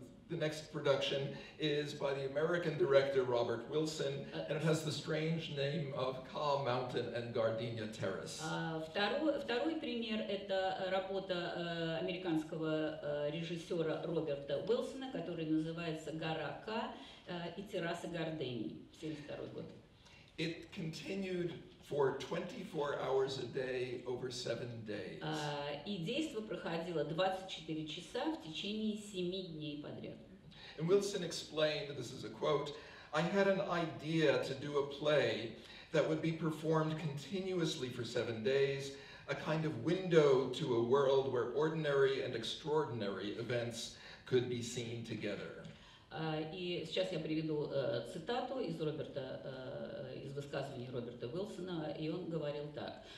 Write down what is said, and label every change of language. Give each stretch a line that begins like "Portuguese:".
English: The next production is by the American director Robert Wilson, and it has the strange name of Ka Mountain and Gardenia Terrace.
Russian: Второй пример – это работа американского режиссера Роберта Уилсона, который называется «Гора Ка и терраса Гордений», 1972 год.
English: It continued for 24 hours a day over 7 days.
Russian: И действо проходило 24 часа в течение 7 дней подряд.
English: And Wilson explained, this is a quote, I had an idea to do a play that would be performed continuously for 7 days, a kind of window to a world where ordinary and extraordinary events could be seen together.
Russian: И сейчас я приведу цитату из высказывания Роберта Уилсона, и он говорил так.